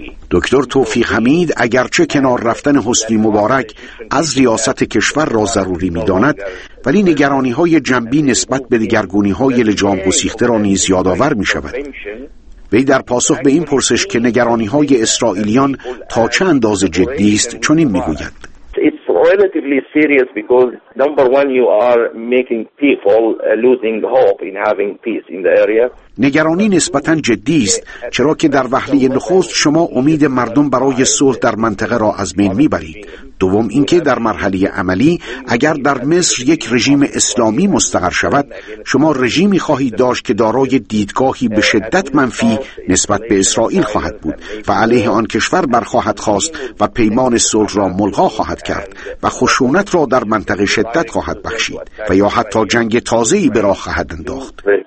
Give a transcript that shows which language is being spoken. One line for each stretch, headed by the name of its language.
Persian: دکتر توفیق حمید اگرچه کنار رفتن حسنی مبارک از ریاست کشور را ضروری می داند، ولی نگرانی های جنبی نسبت به دیگرگونی های لجام گسیخته را نیز یادآور می شود. وی در پاسخ به این پرسش که نگرانی های اسرائیلیان تا چه اندازه جدی است چنین می گوید.
English: Relatively serious because number one you are making people losing hope in having peace in the area.
Persian: نگرانی نسبتاً جدی است، چرا که در وهله نخست شما امید مردم برای صلح در منطقه را از بین میبرید. دوم اینکه در مرحله عملی اگر در مصر یک رژیم اسلامی مستقر شود، شما رژیمی خواهید داشت که دارای دیدگاهی به شدت منفی نسبت به اسرائیل خواهد بود و علیه آن کشور برخواهد خواست و پیمان صلح را ملغا خواهد کرد و خشونت را در منطقه شدت خواهد بخشید و یا حتی جنگ تازه‌ای به راه خواهد انداخت.